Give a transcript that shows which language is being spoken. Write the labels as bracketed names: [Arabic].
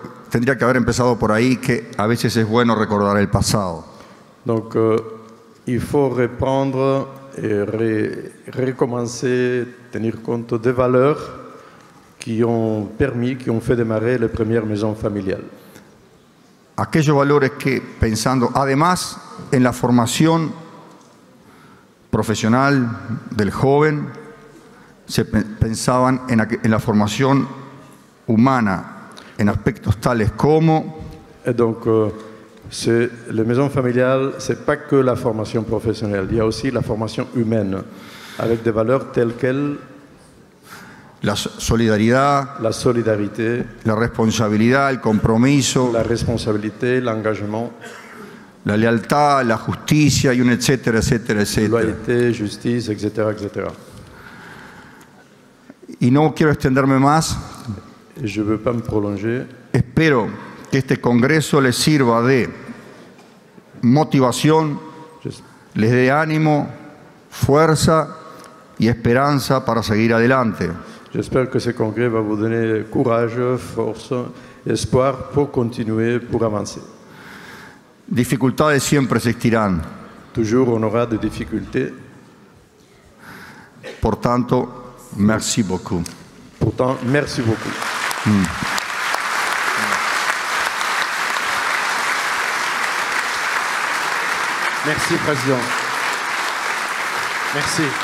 [Spanish] Tendría que haber empezado por ahí, que a veces es bueno recordar el pasado. [French] Donc, il faut reprendre et recommencer, tenir compte des valeurs qui ont permis, qui ont fait démarrer les premières maisons familiales. [Spanish] Aquellos valores que, pensando además en la formación profesional del joven, se pensaban en la formación humana, en aspectos tales como... [French] Et donc, c'est la maison familiale, c'est pas que la formation professionnelle, il y a aussi la formation humaine, avec des valeurs telles quelles... [Spanish] La solidaridad, [French] la solidarité, [Spanish] la responsabilidad, el compromiso, [French] la responsabilité, l'engagement, [Spanish] la lealtad, la justicia y un etcétera, etcétera, etcétera. [French] Loyalité, justice, etcétera, etcétera. [Spanish] Y no quiero extenderme más. [French] Je veux pas me prolonger. [Spanish] Espero que este congreso les sirva de motivación, les dé ánimo, fuerza y esperanza para seguir adelante. [French] J'espère que ce congrès va vous donner courage, force, espoir pour continuer, pour avancer. [Spanish] Dificultades siempre existirán. [French] Toujours on aura des difficultés. [Spanish] Por tanto, [French] merci beaucoup. Pourtant, merci beaucoup. Mm. Merci, Président. Merci.